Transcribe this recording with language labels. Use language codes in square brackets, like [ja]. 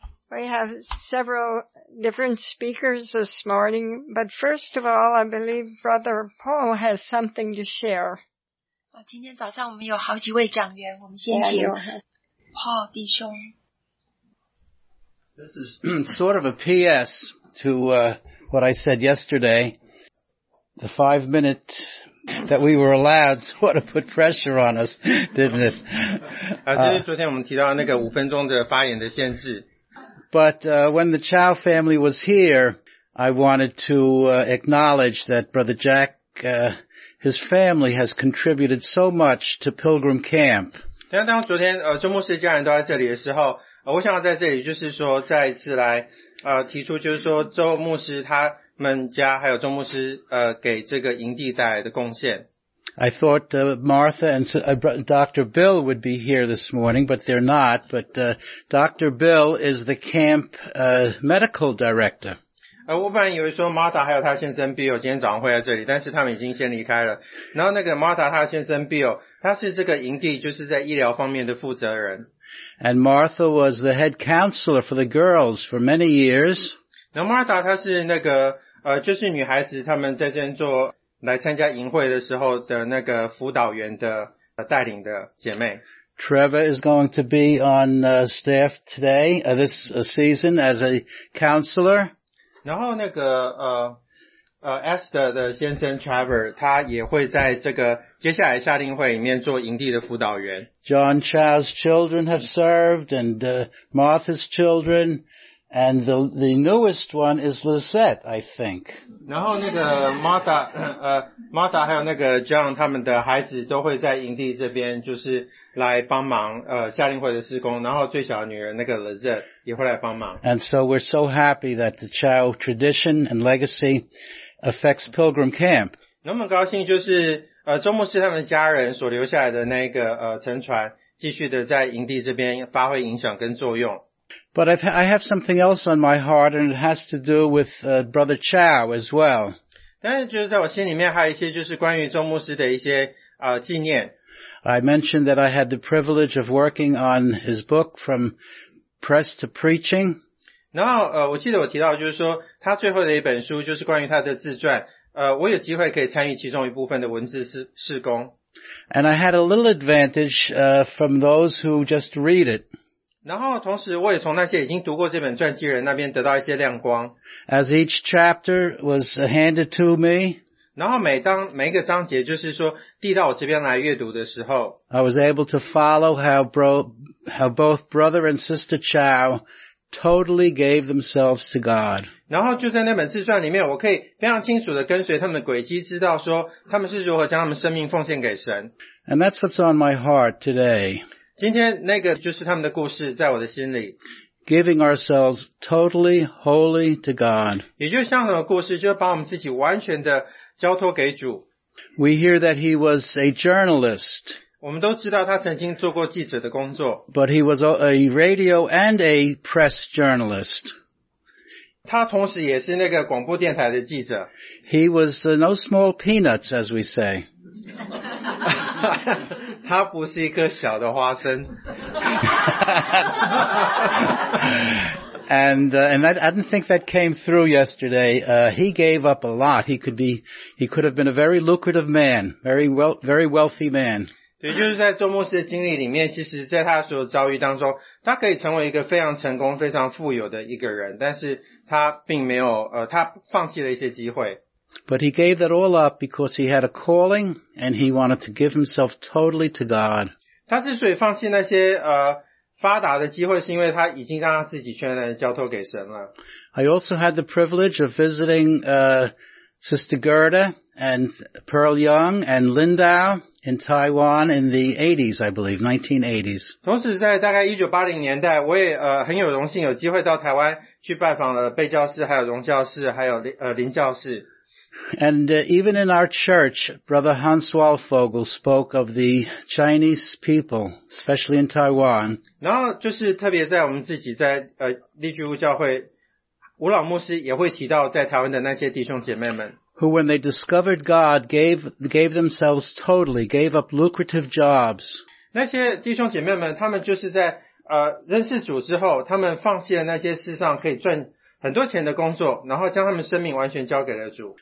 [en] We have several different speakers this morning, but first of all, I believe Brother Paul has something to share. [zh] 今天早上我们有好几位讲员，我们先请 Paul 弟兄。 [en] This is sort of a P.S. to what I said yesterday. The 5 minutes that we were allowed sort of put pressure on us, didn't it? [zh] 就是昨天我们提到那个五分钟的发言的限制。 [en] But when the Chow family was here, I wanted to acknowledge that Brother Jack, his family has contributed so much to Pilgrim Camp. [zh] 当昨天周牧师家人都在这里的时候，我想要在这里就是说再一次来提出，就是说周牧师他们家还有周牧师给这个营地带来的贡献。 [en] I thought Martha and Dr. Bill would be here this morning, but they're not. But Dr. Bill is the camp medical director. [zh] 我本来以为说 Martha 还有他先生 Bill 今天早上会在这里，但是他们已经先离开了。然后那个 Martha 他先生 Bill 他是这个营地就是在医疗方面的负责人。 [en] And Martha was the head counselor for the girls for many years. [zh] 然后 Martha 他是那个就是女孩子他们在这边做来参加营会的时候的那个辅导员的带领的姐妹。 [en] Trevor is going to be on staff today, this season as a counselor. [zh] 然后那个Esther 的先生 Trevor, 他也会在这个接下来夏令会里面做营地的辅导员。 [en] John Chow's children have served, and Martha's children, and the newest one is Lisette, I think. [zh] 然后那个 Martha 还有那个 John 他们的孩子都会在营地这边就是来帮忙夏令会的施工，然后最小的女儿那个 Lisette 也会来帮忙。 [en] And so we're so happy that the Chow tradition and legacy affects Pilgrim Camp. [zh] 那么高兴就是周牧师他们家人所留下来的那个沉船继续的在营地这边发挥影响跟作用。 [en] But I have something else on my heart, and it has to do with Brother Chow as well. [zh] 但是就是在我心里面还有一些就是关于周牧师的一些纪念。 [en] I mentioned that I had the privilege of working on his book, From Press to Preaching. [zh] 然后我记得我提到就是说他最后的一本书就是关于他的自传。我有机会可以参与其中一部分的文字事工。 [en] And I had a little advantage from those who just read it. [zh] 然后同时我也从那些已经读过这本传记人那边得到一些亮光。 [en] As each chapter was handed to me, [zh] 然后每一个章节就是说递到我这边来阅读的时候， [en] I was able to follow how both brother and sister Chow totally gave themselves to God. [zh] 然后就在那本自传里面，我可以非常清楚的跟随他们的轨迹，知道说他们是如何将他们生命奉献给神。 [en] And that's what's on my heart today. [zh] 今天那个就是他们的故事，在我的心里。 [en] Giving ourselves totally, wholly to God. [zh] 也就像那个故事，就是把我们自己完全的交托给主。 [en] We hear that he was a journalist. [zh] 我们都知道他曾经做过记者的工作。 But he was a radio and a press journalist. 他同时也是那个广播电台的记者。 He was no small peanuts, as we say. 他不是一颗小的花生。 [en] I didn't think that came through yesterday. He gave up a lot. He could have been a very lucrative man, very wealthy man. [zh] 对，就是在周牧师的经历里面，其实在他所遭遇当中，他可以成为一个非常成功、非常富有的一个人，但是。他并没有他放弃了一些机会。 [en] But he gave that all up because he had a calling and he wanted to give himself totally to God. [zh] 他之所以放弃那些发达的机会是因为他已经让他自己全然交托给神了。 [en] I also had the privilege of visiting Sister Gerda and Pearl Young and Lindau in Taiwan in the 80s, I believe, 1980s. [zh] 同时在大概1980年代我也很有荣幸有机会到台湾去拜访了贝教士，还有荣教士，还有林教士。 [en] And even in our church, Brother Hans Waldfogel spoke of the Chinese people, especially in Taiwan. [zh] 然后就是特别在我们自己在立居屋教会，吴老牧师也会提到在台湾的那些弟兄姐妹们。 [en] Who, when they discovered God, gave themselves totally, gave up lucrative jobs. [zh] 那些弟兄姐妹们，他们就是在认识主之后，他们放弃了那些世上可以赚很多钱的工作，然后将他们生命完全交给了主。